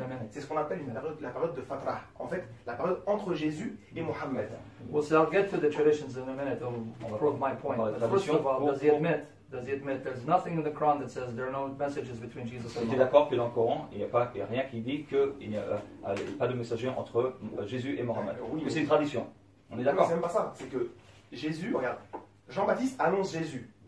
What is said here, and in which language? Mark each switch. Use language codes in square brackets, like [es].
[fr] C'est ce qu'on appelle la période de Fatra. En fait, la période entre Jésus et Muhammad. [en] Well, so I'll get to the traditions in a minute. I'll prove my point. But first of all, does he admit there's nothing in the Quran that says there are no messages between Jesus and Muhammad? [fr] D'accord que dans le Coran, il n'y a pas, il y a rien qui dit que il n'y a pas de messager entre Jésus et Mohammed. Oui, c'est une tradition. On est d'accord. C'est même pas ça. C'est que Jésus, regarde, Jean-Baptiste annonce Jésus.